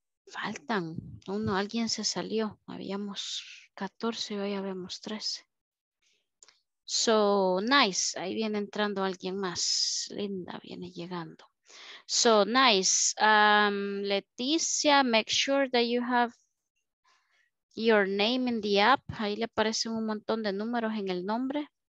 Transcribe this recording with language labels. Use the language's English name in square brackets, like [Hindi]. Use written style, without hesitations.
[Spanish] Faltan uno, alguien se salió, habíamos 14, hoy habemos 13. [English] So nice, [Spanish] ahí viene entrando alguien más, Linda viene llegando. [English] So nice, Leticia, make sure that you have your name in the app. [Spanish] Ahí le aparecen un montón de números en el nombre.